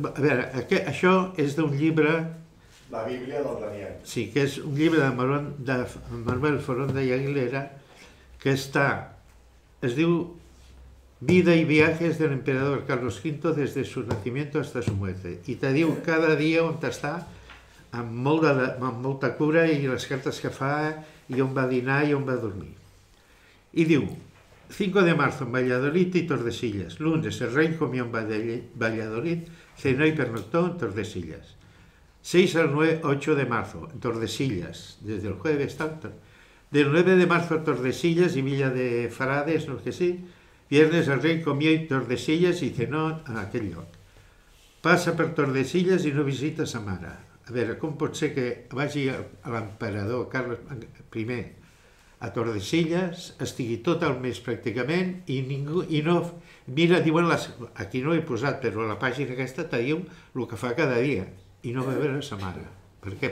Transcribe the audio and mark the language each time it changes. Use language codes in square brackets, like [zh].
[ca] A veure, això és d'un llibre... La Bíblia del Daniel. Sí, que és un llibre de Manuel Foronda i Aguilera, que està... Es diu Vida y viajes del emperador Carlos V desde su nacimiento hasta su muerte. I te diu cada dia on està, amb molta cura i les cartes que fa i on va dinar i on va dormir. I diu, [es] 5 de marzo en Valladolid y Tordesillas. Lunes el rey comió en Valladolid, cenó y pernoctó en Tordesillas. 6 al 9, 8 de marzo en Tordesillas, desde el jueves tanto. Del 9 de marzo en Tordesillas y Villa de Farades, no sé si. Viernes el rey comió en Tordesillas y cenó en aquel lloc. [ca] Pasa per Tordesillas y no visita sa mare. A veure, com pot ser que vagi l'emperador Carles I a Tordesillas, estigui tot el mes pràcticament i ningú, i no, mira, diuen, aquí no ho he posat, però la pàgina aquesta te diu el que fa cada dia i no va veure sa mare. Per què?